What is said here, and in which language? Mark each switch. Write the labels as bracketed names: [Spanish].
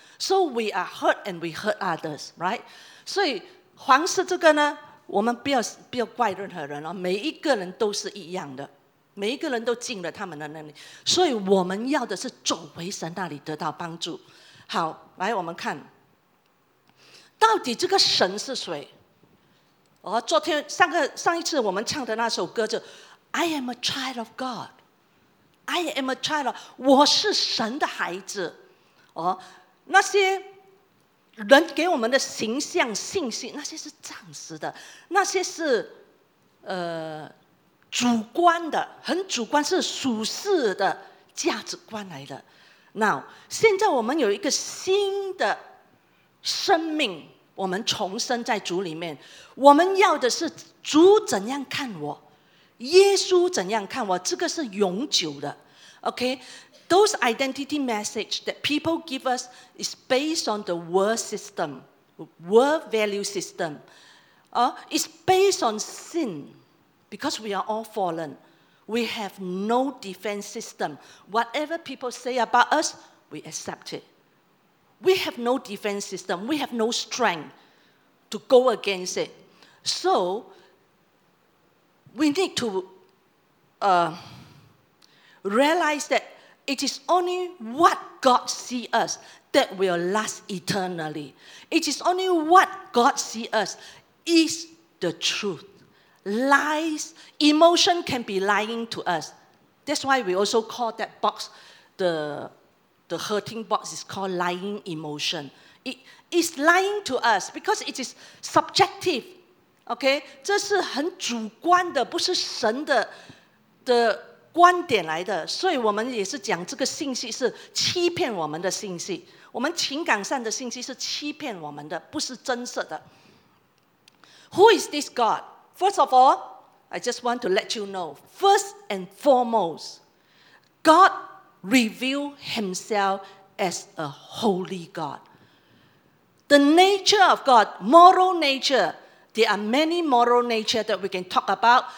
[English] So we are hurt and we hurt others, right? [Chinese] 所以黄色这个呢，我们不要怪任何人，每一个人都是一样的，每一个人都进了他们的那里，所以我们要的是走回神那里得到帮助。好，来我们看到底这个神是谁。哦，昨天上一次我们唱的那首歌就 [English] I am a child of [Chinese] God, I am a child of, 我是神的孩子。哦，那些人给我们的形象信心，那些是暂时的，那些是主观的，很主观，是属世的价值观来的。 Now, 现在我们有一个新的生命，我们重生在主里面，我们要的是主怎样看我，耶稣怎样看我，这个是永久的。 [English] OK, those identity message that people give us is based on the world system, world value system, it's based on sin, because we are all fallen. We have no defense system. Whatever people say about us, we accept it. We have no defense system. We have no strength to go against it. So, we need to realize that it is only what God sees us that will last eternally. It is only what God sees us is the truth. Lies, emotion can be lying to us. That's why we also call that box the hurting box is called lying emotion. It is lying to us because it is subjective. Okay? [Chinese] 这是很主观的，不是神的观点来的。所以我们也是讲这个信息是欺骗我们的信息。我们情感上的信息是欺骗我们的，不是真实的。 [English] Who is this God? First of all, I just want to let you know, first and foremost, God revealed himself as a holy God. The nature of God, moral nature, there are many moral nature that we can talk about.